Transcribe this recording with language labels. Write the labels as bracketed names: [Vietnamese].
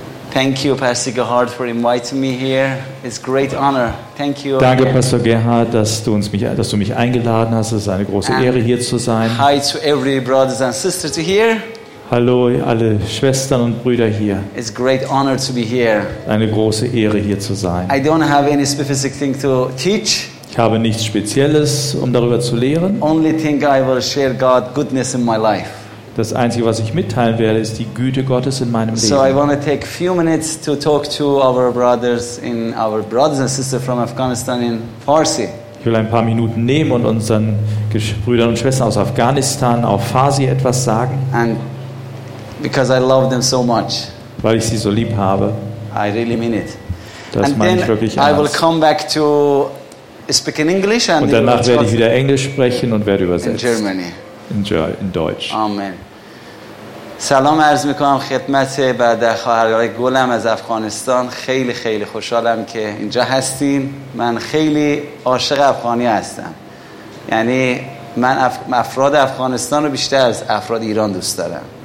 [English] Thank you, Pastor Gerhard, for inviting me here. It's a great honor. Thank you. [German] Danke, Pastor Gerhard, dass du mich eingeladen hast. Es ist eine große Ehre, hier zu sein. [English] Hi to every brothers and sisters here. [German] Hallo, alle Schwestern und Brüder hier. [English] It's a great honor to be here. [German] Eine große Ehre, hier zu sein. [English] I don't have any specific thing to teach. [German] Ich habe nichts Spezielles, um darüber zu lehren. [English] Only thing I will share God's goodness in my life. [German] Das Einzige, was ich mitteilen werde, ist die Güte Gottes in meinem Leben. [English] So I want to take a few minutes to talk to our brothers in our brothers and sisters from Afghanistan in Farsi. [German] Ich will ein paar Minuten nehmen und unseren Brüdern und Schwestern aus Afghanistan auf Farsi etwas sagen. [English] And because I love them so much. [German] Weil ich sie so lieb habe. [English] I really mean it. [German] Das [English] and [German] meine ich wirklich ernst. [English] I will come back to speak in English and [German] und danach werde ich wieder Englisch sprechen und werde übersetzen. [English] In Germany. [German] In Deutsch. [English] Amen. [Persian] سلام عرض میکنم خدمت برادر خواهرای گلم از افغانستان. خیلی خیلی خوشحالم که اینجا هستین. من خیلی عاشق افغانی هستم. یعنی من افراد افغانستان رو بیشتر از افراد ایران دوست دارم.